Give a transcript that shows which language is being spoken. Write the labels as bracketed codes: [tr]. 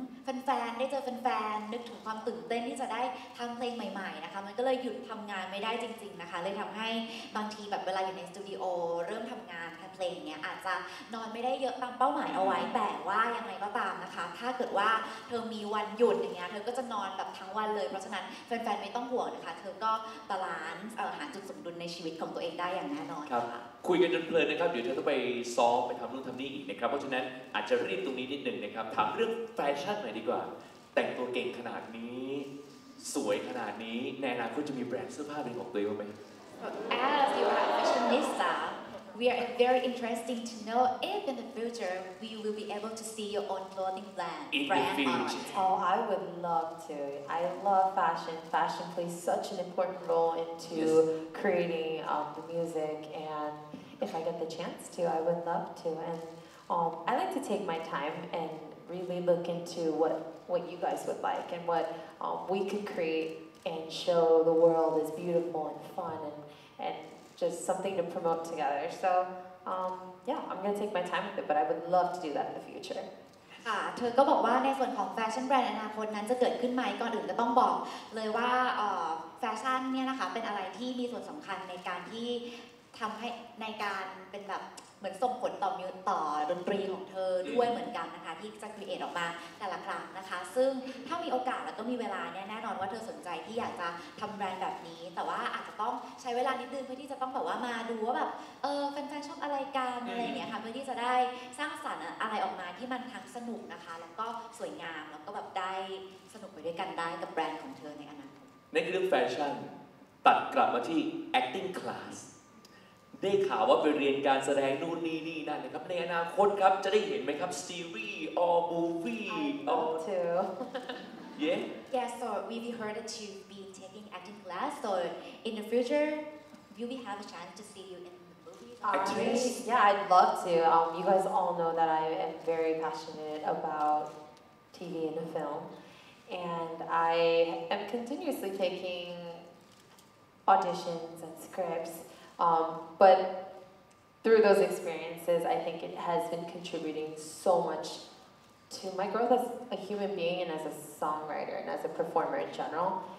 [th] แฟนๆได้เจอแฟนๆนึกถึงความตื่นเต้นที่จะได้ทำเพลงใหม่ๆนะคะมันก็เลยหยุดทำงานไม่ได้จริงๆนะคะเลยทำให้บางทีแบบเวลาอยู่ในสตูดิโอเริ่มทำงานแค่เพลงเนี้ยอาจจะนอนไม่ได้เยอะตามเป้าหมายเอาไว้แต่ว่ายังไงก็ตามนะคะถ้าเกิดว่าเธอมีวันหยุดอย่างเงี้ยเธอก็จะนอนแบบทั้งวันเลยเพราะฉะนั้นแฟนๆไม่ต้องห่วงนะคะเธอก็บาลานซ์หาจุดสมดุลในชีวิตของตัวเองได้อย่างแน่นอน ครับคุยกันจนเพลินนะครับเดี๋ยวเธอต้องไปซ้อมไปทำนู่นทำนี่อีกนะครับเพราะฉะนั้นอาจจะรีบตรงนี้นิดนึงนะครับถามเรื่องแฟชั่นหน่อยดีกว่าแต่งตัวเก่งขนาดนี้สวยขนาดนี้ในอนาคตจะมีแบรนด์เสื้อผ้าเป็นของตัวเองไหม [en] As you are a fashionista we are very interesting to know if in the future we will be able to see your own clothing brand Oh, I would love to. I love fashion. Fashion plays such an important role into creating the music and if I get the chance to, I would love to. And I like to take my time and really look into what you guys would like and what we could create and show the world is beautiful and fun and just something to promote together. So I'm going to take my time with it, but I would love to do that in the future. [th] เธอก็บอกว่าในส่วนของแฟชั่นแบรนด์อนาคตนั้นจะเกิดขึ้นไหมก่อนอื่นก็ต้องบอกเลยว่าแฟชั่นเนี่ยนะคะเป็นอะไรที่มีส่วนสำคัญในการที่ ทำให้ในการเป็นแบบเหมือนส่งผลต่อมิวต่อดนตรีของเธอด้วยเหมือนกันนะคะที่จะครีเอทออกมาแต่ละครั้งนะคะซึ่งถ้ามีโอกาสแล้วก็มีเวลาเนี่ยแน่นอนว่าเธอสนใจที่อยากจะทำแบรนด์แบบนี้แต่ว่าอาจจะต้องใช้เวลานิดนึงเพื่อที่จะต้องแบบว่ามาดูว่าแบบแฟนๆชอบอะไรกันอะไรเนี่ยค่ะเพื่อที่จะได้สร้างสรรค์อะไรออกมาที่มันทั้งสนุกนะคะแล้วก็สวยงามแล้วก็แบบได้สนุกไปด้วยกันได้กับแบรนด์ของเธอในอนาคต ในเรื่องแฟชั่นตัดกลับมาที่ acting classได้ข่าวว่าไปเรียนการแสดงนู่นนี่นี่นั่นนะครับในอนาคตครับจะได้เห็นไหมครับซีรีส์ [en] or movie or too yeah so we've heard that you've been taking acting class so in the future will we have a chance to see you in the movie I'd love to you guys all know that I am very passionate about TV and the film and I am continuously taking auditions and scriptsBut through those experiences, I think it has been contributing so much to my growth as a human being and as a songwriter and as a performer in general.